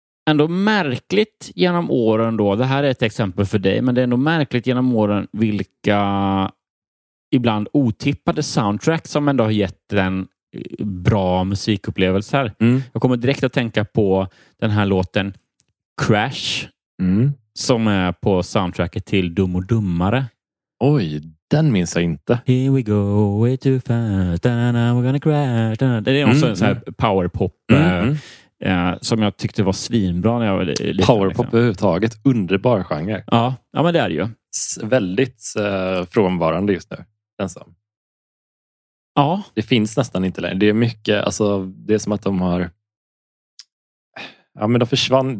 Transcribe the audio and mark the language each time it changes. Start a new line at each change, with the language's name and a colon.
Swedish: Ändå märkligt genom åren då... Det här är ett exempel för dig, men det är ändå märkligt genom åren vilka ibland otippade soundtrack som ändå har gett den... bra musikupplevelser. Mm. Jag kommer direkt att tänka på den här låten Crash som är på soundtracket till Dum och Dummare. Oj, den minns jag inte.
English: Here we go, way too fast, we're gonna crash.
Swedish: Det är också en sån här powerpop som jag tyckte var svinbra när jag var liten. Powerpop liksom. Överhuvudtaget, underbar genre. Ja, men det är det ju. Väldigt frånvarande just nu, den som. Ja, det finns nästan inte längre. Det är mycket, alltså det är som att de har men de försvann.